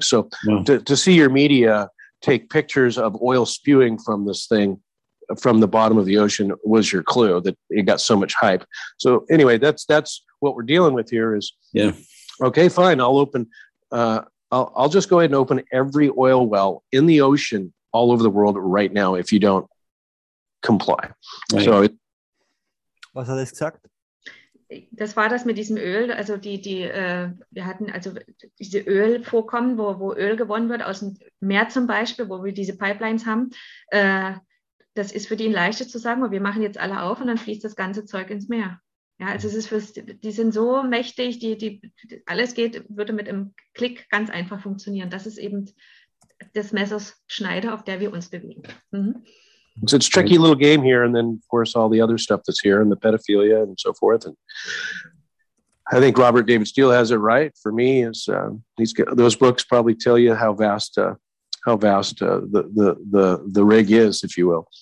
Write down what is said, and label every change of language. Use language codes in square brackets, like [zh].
[en] So to see your media take pictures of oil spewing from this thing from the bottom of the ocean was your clue that it got so much hype. So anyway, that's what we're dealing with here is, okay, fine. I'll open, I'll just go ahead and open every oil well in the ocean all over the world right now, if you don't comply. Right. So. [de] Was hat er gesagt? Das war das mit diesem Öl. Also wir hatten also diese Ölvorkommen, wo Öl gewonnen wird aus dem Meer zum Beispiel, wo wir diese Pipelines haben, das ist für die ein leichtes zu sagen, aber wir machen jetzt alle auf und dann fließt das ganze Zeug ins Meer. Ja, also es ist die sind so mächtig, die alles geht, würde mit einem Klick ganz einfach funktionieren. Das ist eben des Messers Schneider, auf der wir uns bewegen. [en] Mhm. So it's a tricky little game here, and then of course all the other stuff that's here and the pedophilia and so forth. And I think Robert David Steele has it right. For me, is those books probably tell you how vast the rig is, if you will.